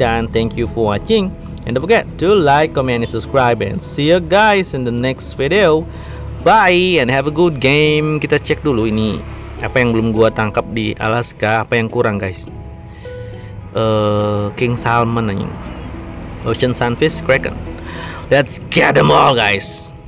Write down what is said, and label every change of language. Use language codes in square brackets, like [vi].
[en] Dan thank you for watching. And don't forget to like, comment, and subscribe. And see you guys in the next video. Bye and have a good game. [id] Kita cek dulu ini apa yang belum gua tangkap di Alaska. Apa yang kurang guys. [en] King Salmon, Ocean Sunfish, Kraken. Let's get them all guys.